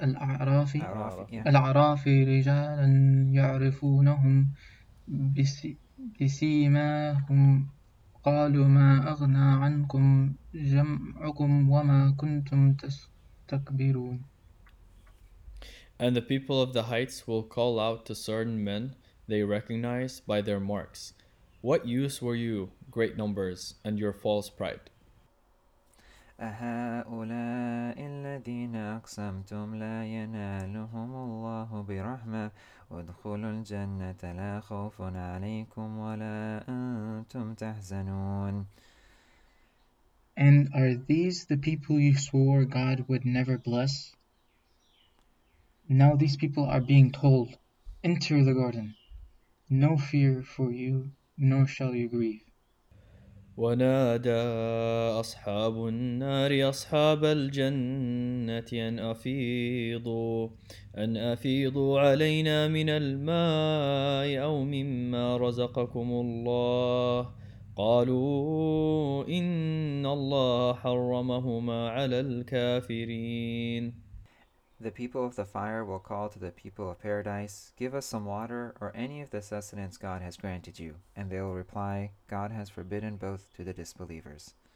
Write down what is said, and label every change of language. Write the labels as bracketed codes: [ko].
[ar] الْأَعْرَافِ الْأَعْرَافِ رِجَالًا يَعْرِفُونَهُمْ بِسِيمَاهُمْ قَالُوا مَا أَغْنَى عَنْكُمْ جَمْعُكُمْ وَمَا كُنْتُمْ تَسْتَكْبِرُونَ. [en] And the people of the heights will call out to certain men they recognize by their marks, "What use were you, great numbers, and your false pride?" [ar] أهؤلاء الذين أقسمتم لا ينالهم الله برحمة ادخلوا الجنة لا خوف عليكم ولا أنتم تحزنون. [en] And are these the people you swore God would never bless? Now these people are being told, enter the garden. No fear for you, nor shall you grieve. [ar] ونادى أصحاب النار أصحاب الجنة أن أفيضوا علينا من الماء أو مما رزقكم الله قالوا إن الله حرمهما على الكافرين. [en] The people of the fire will call to the people of paradise, give us some water or any of the sustenance God has granted you. And they will reply, God has forbidden both to the disbelievers.